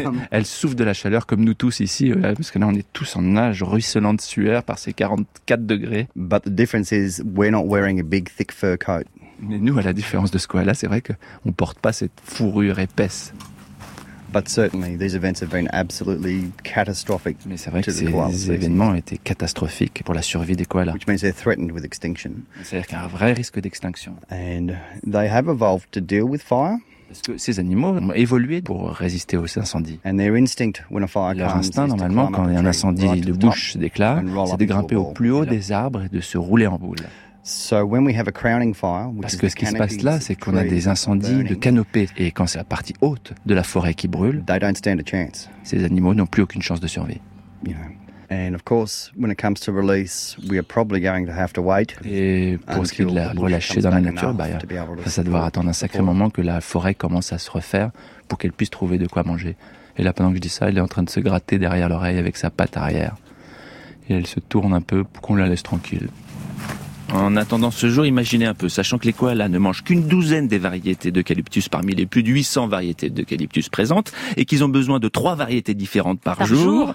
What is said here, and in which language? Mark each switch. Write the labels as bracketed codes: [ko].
[fr] Elle souffre de la chaleur comme nous tous ici, ouais, parce que là on est tous en nage ruisselant de sueur par ces 44 degrés. [en] But the difference is we're not wearing a big thick fur coat. [fr] Mais nous, à la différence de ce koala, c'est vrai qu'on porte pas cette fourrure épaisse. [en] But certainly, these events have been absolutely catastrophic. [fr] Mais c'est vrai que ces événements ont été catastrophiques pour la survie des koalas. [en] Which means they're threatened with extinction. [fr] C'est-à-dire qu'il y a un vrai risque d'extinction. [en] And they have evolved to deal with fire. [fr] Parce que ces animaux ont évolué pour résister aux incendies. [en] And their instinct when a fire comes. [fr] Leur instinct, normalement, quand un incendie de bouche s'éclate, c'est de grimper au plus haut des arbres et de se rouler en boule. [en] So when we have a crowning fire, [fr] parce que ce qui se passe là, c'est qu'on a des incendies de canopée, et quand c'est la partie haute de la forêt qui brûle, [en] they don't stand a chance. [fr] Ces animaux n'ont plus aucune chance de survie. [en] And of course, when it comes to release, we are probably going to have to wait. [fr] Et pour ce qui est de la relâcher dans la nature, ça devra attendre un sacré moment que la forêt commence à se refaire pour qu'elle puisse trouver de quoi manger. Et là, pendant que je dis ça, elle est en train de se gratter derrière l'oreille avec sa patte arrière, et elle se tourne un peu pour qu'on la laisse tranquille. En attendant ce jour, imaginez un peu, sachant que les koalas ne mangent qu'une douzaine des variétés d'eucalyptus parmi les plus de 800 variétés d'eucalyptus présentes et qu'ils ont besoin de 3 variétés différentes par jour.